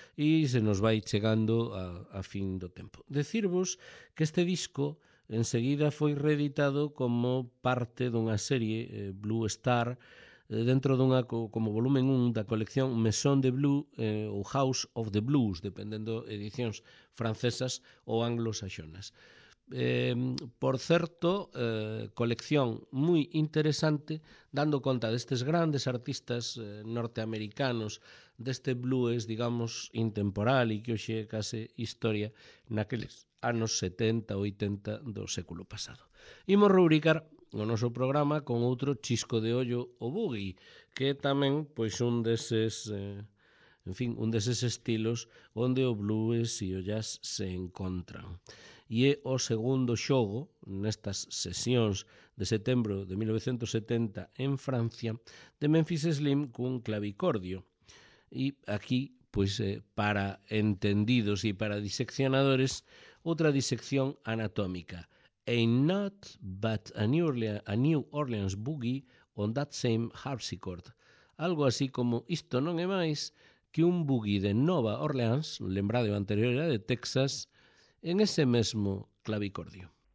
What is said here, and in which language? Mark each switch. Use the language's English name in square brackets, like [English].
[Galician] E se nos vai chegando a fin do tempo. Decirvos que este disco enseguida foi reeditado como parte dunha serie, Blue Star, dentro dunha como volumen 1 da colección Maison de Blues ou House of the Blues, dependendo edicións francesas ou anglosaxonas. Por certo, colección moi interesante, dando conta destes grandes artistas norteamericanos, deste blues, digamos, intemporal e que hoxe case historia naqueles anos 70, 80 do século pasado. Imos rubricar o noso programa con outro chisco de ollo, o boogie, que tamén, pois, un deses, en fin, un deses estilos onde o blues e o jazz se encontran. E é o segundo xogo nestas sesións de setembro de 1970 en Francia de Memphis Slim cun clavicordio. E aquí, pois, para entendidos e para diseccionadores, outra disección anatómica. [English] Ain't not but a New Orleans boogie on that same harpsichord. [Galician] Algo así como isto non é máis que un boogie de Nova Orleans, lembrado anterior era de Texas, en ese mesmo clavicordio.